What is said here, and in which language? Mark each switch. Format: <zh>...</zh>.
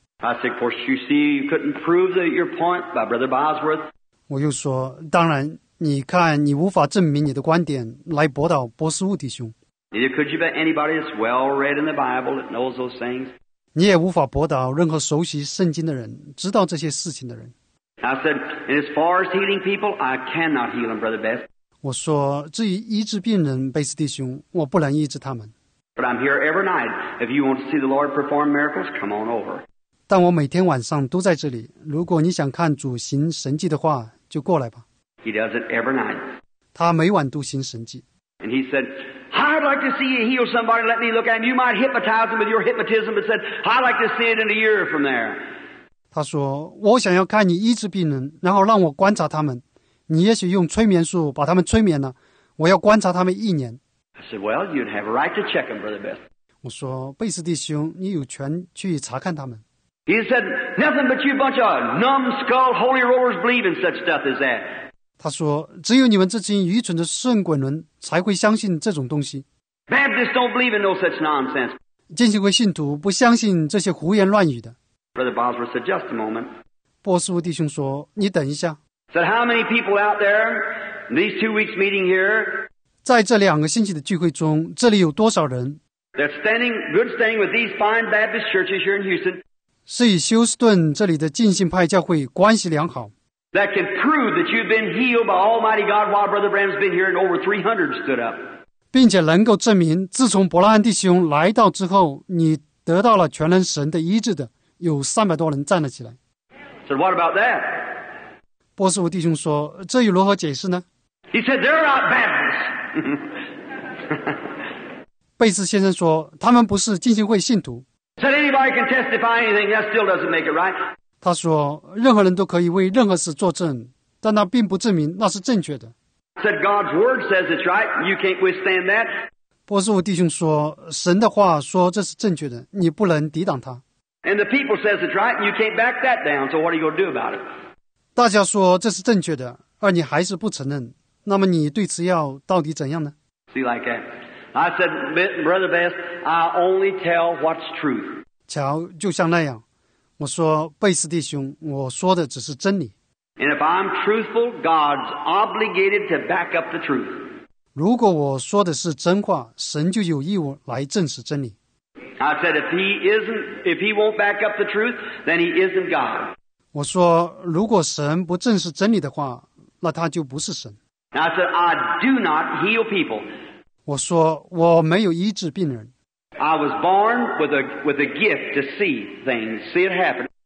<en>I said, of course, you see, you couldn't prove your point by Brother Bosworth.</en> <zh>我又说，当然。你看你无法证明你的观点来驳倒波斯伍弟兄。</zh> <en>Neither could you bet anybody that's well read in the Bible that knows those things.</en> <zh>你也无法驳倒任何熟悉圣经的人知道这些事情的人。</zh> <en>I said, and as far as healing people, I cannot heal them, Brother Beth.</en> <zh>我说至于医治病人贝斯弟兄我不能医治他们。</zh> <en>But I'm here every night. If you want to see the Lord perform miracles, come on over.</en> <zh>但我每天晚上都在这里，如果你想看主行神迹的话，就过来吧。</zh> <en>He does it every night.</en> <zh>他每晚都行神迹。</zh> <en>And he said, I'd like to see you heal somebody, let me look at him. You might hypnotize him with your hypnotism, but said, I'd like to see it in a year from there.</en> <zh>他说，我想要看你医治病人，然后让我观察他们。你也许用催眠术把他们催眠了，我要观察他们一年。</zh> <en>I said, well, you'd have a right to check them, Brother Beth.</en> <zh>我说，贝斯弟兄，你有权去查看他们。</zh> <en>He said, nothing but you bunch of numbskull holy rollers believe in such stuff as that.</en> <zh>他说，只有你们这群愚蠢的圣鬼伦才会相信这种东西。</zh> <en>Baptists don't believe in no such nonsense.</en> <zh>浸信会信徒不相信这些胡言乱语的。</zh> <en>Brother Bosworth said, just a moment.</en> <zh>波斯沃弟兄说，你等一下。</zh> <en>Said, how many people out there in these 2 weeks meeting here?</en> <zh>在这两个星期的聚会中，这里有多少人？</zh> <en>They're standing, good standing with these fine Baptist churches here in Houston.</en> <zh>是与休斯顿这里的浸信派教会关系良好。</zh> <en>That can prove that you've been healed by Almighty God while Brother Branham's been here and over 300 stood up.</en> <zh>并且能够证明自从伯拉罕弟兄来到之后你得到了全能神的医治的有300多人站了起来。</zh> <en>So what about that?</en> <zh>波斯沃弟兄说这又如何解释呢</zh> <en>He said they're not Baptists.</en> <zh>贝斯先生说他们不是浸信会信徒。</zh> <en>Said anybody can testify anything, that still doesn't make it right.</en> <zh>他说，任何人都可以为任何事作证，但那并不证明那是正确的。</zh> <en>Said God's word says it's right. You can't withstand that.</en> <zh>波斯沃弟兄说，神的话说这是正确的，你不能抵挡他。</zh> <en>And the people says it's right. You can't back that down. So what are you going to do about it?</en> <zh>大家说这是正确的，而你还是不承认，那么你对此要到底怎样呢</zh> <en>？See like that. I said, Brother Best, I only tell what's truth.</en> <zh>瞧，就像那样，我说，贝斯弟兄，我说的只是真理。</zh> <en>And if I'm truthful, God's obligated to back up the truth.</en> <zh>如果我说的是真话，神就有义务来证实真理。</zh> <en>I said, if he won't back up the truth, then he isn't God.</en> <zh>我说，如果神不证实真理的话，那他就不是神。</zh> <en>I said, I do not heal people.</en> <zh>我说我没有医治病人。</zh> <en>I was born with a gift to see things, see it happen.</en>